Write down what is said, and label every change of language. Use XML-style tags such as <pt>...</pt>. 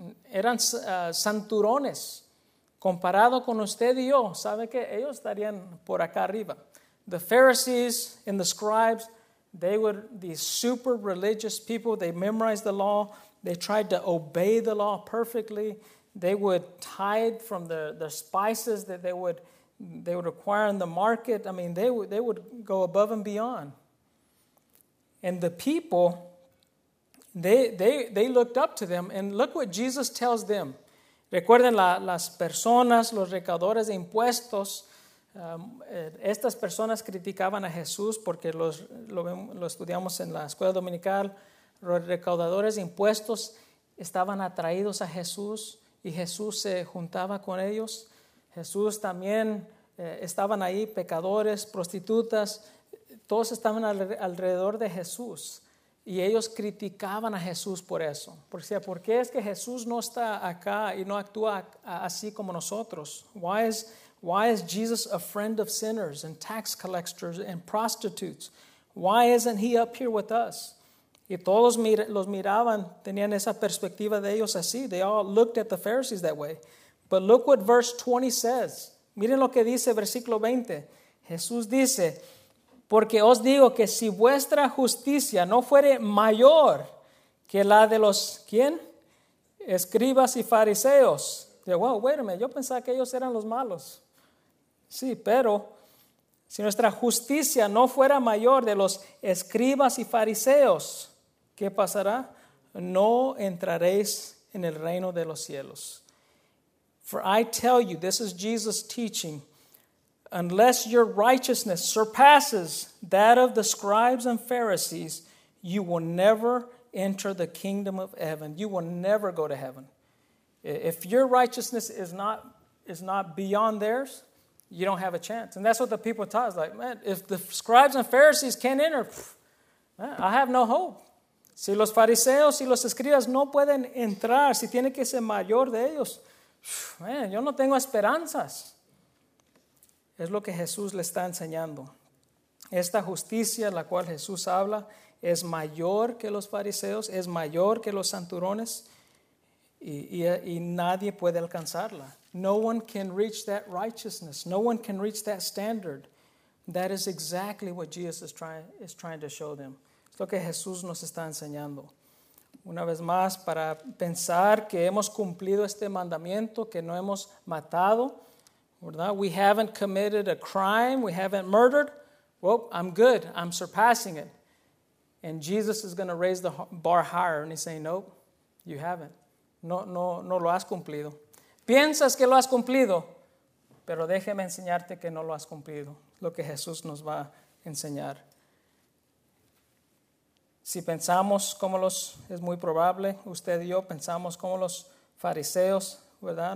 <es>Eran santurones comparado con usted y yo. ¿Sabe qué? Ellos estarían por acá arriba.</es> <en>The Pharisees and the scribes, they were these super religious people. They memorized the law. They tried to obey the law perfectly. They would tithe from the spices that they would acquire in the market. I mean, they would go above and beyond. And the people, they looked up to them. And look what Jesus tells them.</en> <es>Recuerden, las personas, los recaudadores de impuestos, estas personas criticaban a Jesús porque lo estudiamos en la escuela dominical. Los recaudadores de impuestos estaban atraídos a Jesús y Jesús se juntaba con ellos. Jesús también estaban ahí, pecadores, prostitutas, todos estaban alrededor de Jesús y ellos criticaban a Jesús por eso. Porque decía, ¿por qué es que Jesús no está acá y no actúa así como nosotros?</es> <en>Why is Jesus a friend of sinners and tax collectors and prostitutes? Why isn't he up here with us?</en> <es>Y todos los miraban, tenían esa perspectiva de ellos así.</es> <en>They all looked at the Pharisees that way. But look what verse 20 says.</en> <es>Miren lo que dice versículo 20. Jesús dice, porque os digo que si vuestra justicia no fuere mayor que la de los, ¿quién? Escribas y fariseos.</es> <en>Wow, wait a minute,</en> <es>yo pensaba que ellos eran los malos. Sí, pero si nuestra justicia no fuera mayor de los escribas y fariseos, ¿qué pasará? No entraréis en el reino de los cielos.</es> <en>For I tell you, this is Jesus teaching, unless your righteousness surpasses that of the scribes and Pharisees, you will never enter the kingdom of heaven. You will never go to heaven. If your righteousness is not beyond theirs, you don't have a chance. And that's what the people taught. It's like, man, if the scribes and Pharisees can't enter, man, I have no hope.</en> <es>Si los fariseos y los escribas no pueden entrar, si tiene que ser mayor de ellos, man, yo no tengo esperanzas. Es lo que Jesús le está enseñando. Esta justicia, la cual Jesús habla, es mayor que los fariseos, es mayor que los santurones. y nadie puede alcanzarla.</es> <en>No one can reach that righteousness. No one can reach that standard. That is exactly what Jesus is trying to show them.</en> <es>Es lo que Jesús nos está enseñando. Una vez más, para pensar que hemos cumplido este mandamiento, que no hemos matado, ¿verdad?</es> <en>We haven't committed a crime, we haven't murdered. Well, I'm good, I'm surpassing it. And Jesus is going to raise the bar higher. And he's saying, nope, you haven't.</en> <es>No lo has cumplido. Piensas que lo has cumplido, pero déjeme enseñarte que no lo has cumplido. Lo que Jesús nos va a enseñar. Si pensamos como los, es muy probable, usted y yo pensamos como los fariseos, ¿verdad?</es>